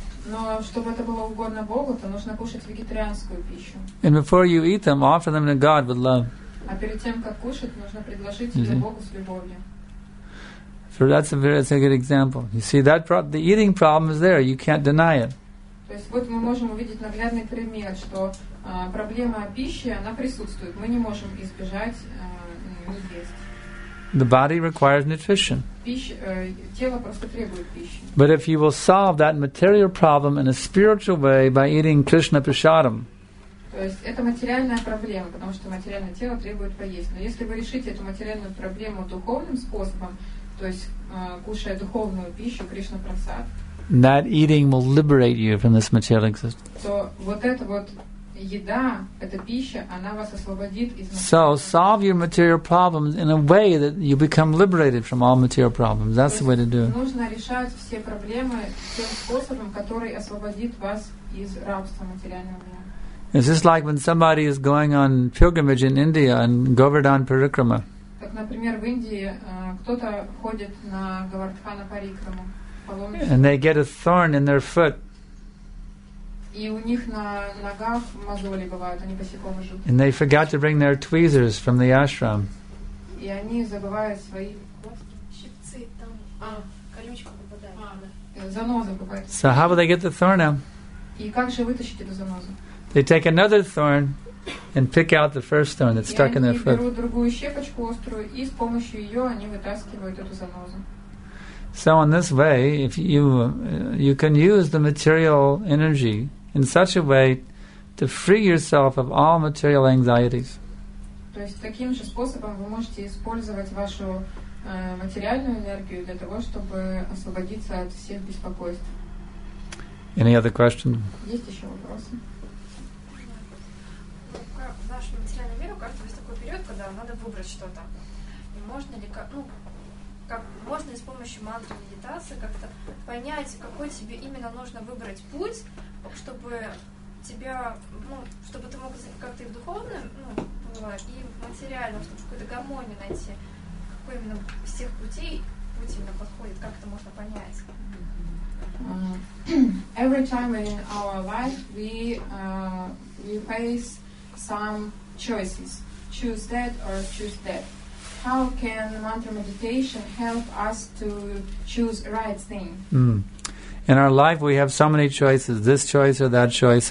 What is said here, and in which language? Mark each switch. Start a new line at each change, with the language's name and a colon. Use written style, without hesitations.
Russian: Но чтобы это было угодно Богу, то нужно кушать вегетарианскую пищу.
English: And before you eat them, offer them to God with love.
Russian: А перед тем, как кушать, нужно предложить себе Богу с любовью.
English: So that's a good example. You see, that the eating problem is there. You can't deny it.
Russian: То есть вот мы можем увидеть наглядный пример, что проблема пищи, она присутствует. Мы не можем избежать не есть.
English: The body requires nutrition.
Russian: Тело просто требует пищи.
English: But if you will solve that material problem in a spiritual way by eating Krishna Prasadam,
Russian: то есть это материальная проблема, потому что материальное тело требует поесть. Но если вы решите эту материальную проблему духовным способом, то есть кушая духовную пищу, Кришна Прасад,
English: that eating will liberate you from this material existence.
Russian: То вот это вот еда, эта пища, она вас освободит из.
English: So solve your material problems in a way that you become liberated from all material problems. That's the way to do it.
Russian: Нужно решать все проблемы тем способом, который освободит вас из рабства материального.
English: It's just like when somebody is going on pilgrimage in India and Govardhan Parikrama.
Russian: Так, например, в Индии кто-то ходит на Говардхана Парикраму.
English: And they get a thorn in their foot.
Russian: И у них на ногах мозоли бывают, они посекомые жуткие.
English: And they forgot to bring their tweezers from the ashram.
Russian: И они забывают свои щипцы там. Колючка попадает. Заноза попадает.
English: So how will they get the thorn out?
Russian: И как же вытащить эту занозу?
English: They take another thorn and pick out the first thorn that's stuck in their foot.
Russian: И они берут другую щепочку острую и с помощью ее они вытаскивают эту занозу.
English: So in this way, if you can use the material energy in such a way to free yourself of all material anxieties.
Russian: То есть таким же способом вы можете использовать вашу материальную энергию для того, чтобы освободиться от всех беспокойств.
English: Any other question?
Russian: Есть еще вопросы? В нашем материальном мире у каждого есть такой период, когда надо выбрать что-то. И можно ли можно ли с помощью мантры медитации как-то понять, какой тебе именно нужно выбрать путь, чтобы тебя, чтобы ты мог как-то и в духовном, было, и в материальном, чтобы какую-то гармонию найти, какой именно из всех путей путь именно подходит, как это можно понять?
English: Every time in our life we face some choices. Choose that or choose that. How can mantra meditation help us to choose right thing? In our life, we have so many choices, this choice or that choice.